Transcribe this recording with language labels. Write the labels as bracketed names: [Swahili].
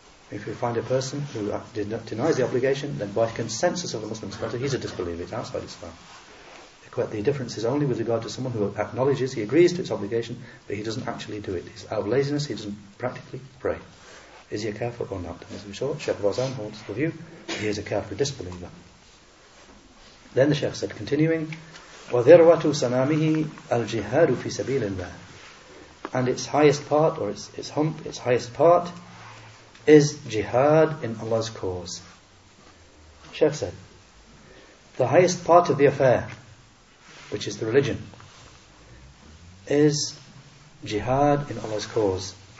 [English] If you find a person who denies the obligation, then by consensus of the Muslims, he's a disbeliever, it's outside Islam. The difference is only with regard to someone who acknowledges, he agrees to its obligation, but he doesn't actually do it. He's out of laziness, he doesn't practically pray. Is he a kafir or not? As we saw, Sheikh Bazan holds the view, he is a kafir disbeliever. Then the Sheikh said, continuing, [Arabic] وَذِرْوَةُ سَنَامِهِ الْجِهَادُ فِي سَبِيلٍ لَهِ. [English] And its highest part, or its hump, its highest part, is jihad in Allah's cause. Sheikh said, the highest part of the affair, which is the religion, is jihad in Allah's cause.